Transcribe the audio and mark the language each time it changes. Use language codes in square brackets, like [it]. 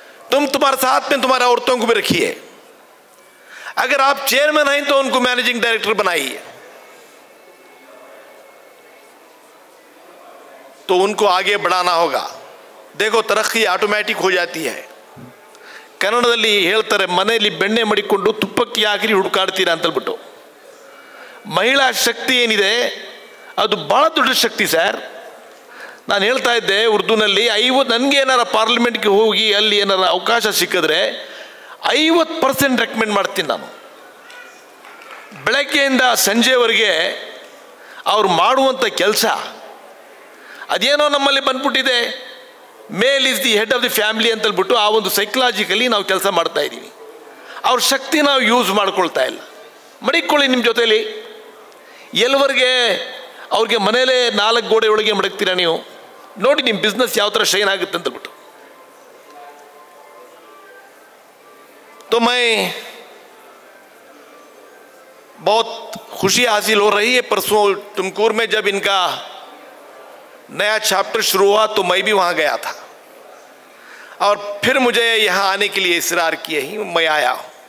[hi] तुम तुम्हारे साथ में तुम्हारे औरतों को भी रखिए. अगर आप चेयरमैन हैं तो उनको मैनेजिंग डायरेक्टर बनाइए, तो उनको आगे बढ़ाना होगा. देखो तरक्की ऑटोमेटिक हो जाती है. [kn] ಕನ್ನಡದಲ್ಲಿ ಹೇಳ್ತಾರೆ, ಮನೆಯಲ್ಲಿ ಬೆಣ್ಣೆ ಮಡಿಕೊಂಡು ತುಪ್ಪಕ್ಕೆ ಆಗಿರಿ ಹುಡುಕಾಡ್ತೀರಾ ಅಂತಲ್ಬಿಟ್ಟು. ಮಹಿಳಾ ಶಕ್ತಿ ಏನಿದೆ ಅದು ಬಹಳ ದೊಡ್ಡ ಶಕ್ತಿ ಸರ್. ನಾನು ಹೇಳ್ತಾ ಇದ್ದೆ ಉರ್ದುನಲ್ಲಿ, ನನಗೆ ಏನಾರ ಪಾರ್ಲಿಮೆಂಟ್ಗೆ ಹೋಗಿ ಅಲ್ಲಿ ಏನಾರ ಅವಕಾಶ ಸಿಕ್ಕಿದ್ರೆ 50% ರೆಕಮೆಂಡ್ ಮಾಡ್ತೀನಿ ನಾನು. ಬೆಳಗ್ಗೆಯಿಂದ ಸಂಜೆವರೆಗೆ ಅವ್ರು ಮಾಡುವಂಥ ಕೆಲಸ ಅದೇನೋ ನಮ್ಮಲ್ಲಿ ಬಂದ್ಬಿಟ್ಟಿದೆ, ಮೇಲ್ is the head of the family ಅಂತಲ್ಬಿಟ್ಟು ಆ ಒಂದು ಸೈಕಲಾಜಿಕಲಿ ನಾವು ಕೆಲಸ ಮಾಡ್ತಾ ಇದ್ದೀವಿ. ಅವ್ರ ಶಕ್ತಿ ನಾವು ಯೂಸ್ ಮಾಡ್ಕೊಳ್ತಾ ಇಲ್ಲ. ಮಡಿಕೊಳ್ಳಿ ನಿಮ್ಮ ಜೊತೇಲಿ, ಎಲ್ಲವರೆಗೆ ಅವ್ರಿಗೆ ಮನೇಲೆ 4 ಗೋಡೆ ಒಳಗೆ ಮಡಗ್ತೀರಾ ನೀವು? ನೋಡಿ ನಿಮ್ಮ ಬಿಸ್ನೆಸ್ ಯಾವ ಥರ ಶೈನ್ ಆಗುತ್ತೆ ಅಂತಲ್ಬಿಟ್ಟು. [hi] ತೊ ಮೈ ಬಹುತ್ ಖುಷಿ ಹಾಸಿಲ್ ಹೋ ರಹಿ ಹೈ ಪರ್ಸೋ ತುಮಕೂರ್ ಮೇ ಜಬ್ ಇನ್ಕಾ नया चैप्टर शुरू हुआ तो मैं भी वहां गया था, और फिर मुझे यहां आने के लिए इसरार किए ही मैं आया हूं.